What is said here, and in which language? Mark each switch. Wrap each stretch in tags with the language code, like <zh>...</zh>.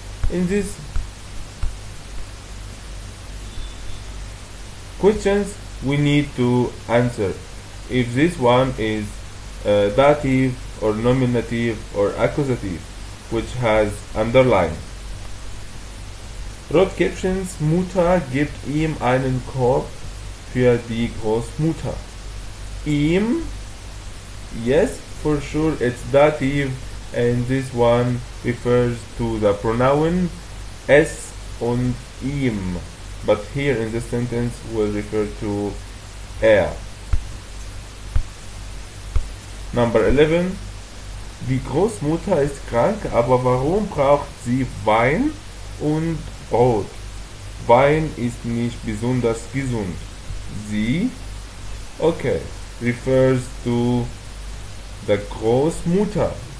<en>In this questions we need to answer if this one is dative or nominative or accusative, which has underline.</en> <de>Rot captions: Mutter gibt ihm einen Korb für die Großmutter. Ihm?</de> <en>Yes, for sure it's dative, and this one refers to the pronoun</en> <de>es und ihm,</de> <en>but here in this sentence will refer to er. Number 11.</en> <de>Die Großmutter ist krank, aber warum braucht sie Wein und Brot? Wein ist nicht besonders gesund. Sie?</de> <en>Okay, refers to the Großmutter.</en>